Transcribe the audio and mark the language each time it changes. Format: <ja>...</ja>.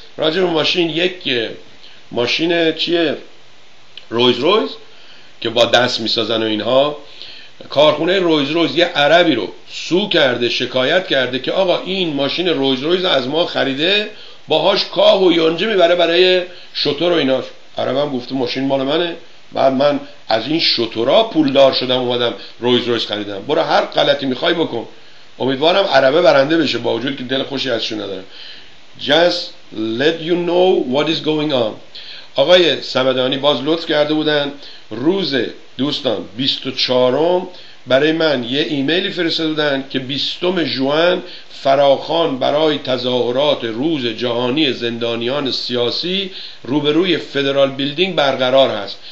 <fa>راجب ماشین، یک ماشین چیه، رویز رویز که با دست میسازن و اینها، کارخونه رویز رویز یه عربی رو سو کرده، شکایت کرده که آقا این ماشین رویز رویز از ما خریده، باهاش کاه و یونجه میبره برای شتر و ایناش. عربم گفته ماشین مال منه، بعد من از این شتورا پولدار شدم اومدم رویز رویز خریدم. برو هر غلطی میخوای بکن، امیدوارم عربه برنده بشه، با وجود که دل خوشی ازشون ندارم.</fa> <en>Just let you know what is going on.</en> <fa>آقای صمدانی باز لطف کرده بودن روز دوستان 24 برای من یه ایمیلی فرستاده بودن که 20 ژوئن فراخوان برای تظاهرات روز جهانی زندانیان سیاسی روبروی فدرال بیلدینگ برقرار هست.</fa>